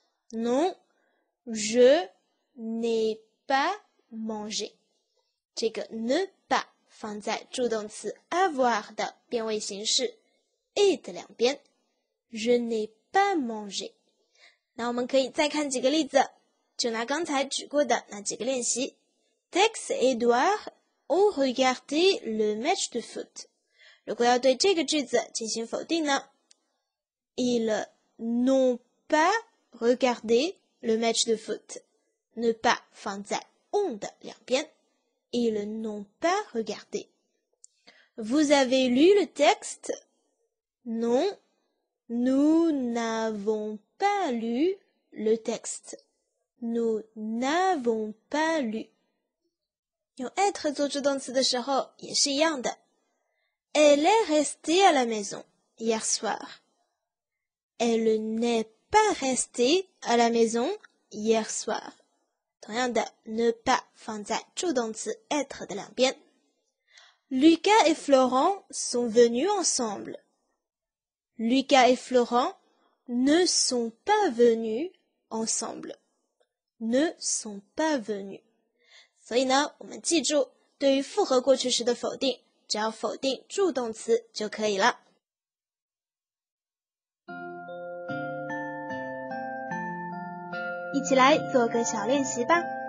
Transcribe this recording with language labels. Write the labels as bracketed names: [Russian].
[French] Non, je n'ai pas mangé. [Chinese] 这个 ne pas 放在助动词 avoir 的变位形式 et 两边。 [French] Je n'ai pas mangé. [Chinese] 那我们可以再看几个例子，就拿刚才举过的那几个练习。 [French] Tex et Edouard ont regardé le match de foot. [Chinese] 如果要对这个句子进行否定呢？ [French] Ils n'ont pas regardé le match de foot. Ne pas [Chinese] 放在 on 的两边。 [French] Ils n'ont pas regardé. Vous avez lu le texte? Non, nous n'avons pas lu le texte. Nous n'avons pas lu. [Chinese] 用 être 做助动词的时候也是一样的。 [French] Elle est restée à la maison hier soir. Elle n'est pas restée à la maison hier soir. [Chinese] 同样的 ne pas 放在助动词 être 的两边。 [French] Lucas et Florent sont venus ensemble. Lucas et Florent ne sont pas venus ensemble. Ne sont pas venus. [Chinese] 所以呢，我们记住，对于复合过去时的否定，只要否定助动词就可以了。一起来做个小练习吧。